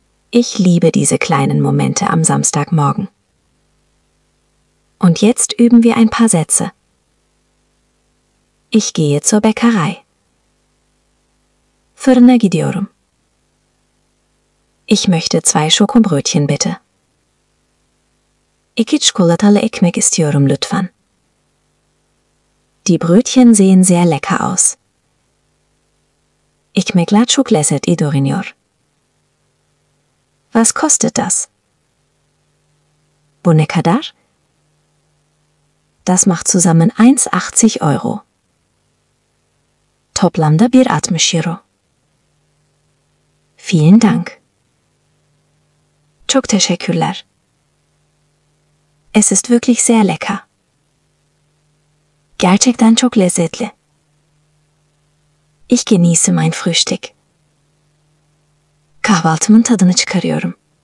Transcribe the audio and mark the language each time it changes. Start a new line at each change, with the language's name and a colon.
German: Ich liebe diese kleinen Momente am Samstagmorgen. Und jetzt üben wir ein paar Sätze. Ich gehe zur Bäckerei. Fırına gidiyorum. Ich möchte zwei Schokobrötchen bitte.
Turkish: İki çikolatalı ekmek istiyorum lütfen.
German: Die Brötchen sehen sehr lecker aus.
Turkish: Ekmekler çok lezzetli görünüyor.
German: Was kostet das? Bu ne kadar? Das macht zusammen 1,80 Euro. Toplamda 1,60 Euro. Vielen Dank. Çok teşekkürler. Es ist wirklich sehr lecker.
Turkish: Gerçekten çok lezzetli.
German: Ich genieße mein Frühstück.
Turkish: Kahvaltımın tadını çıkarıyorum.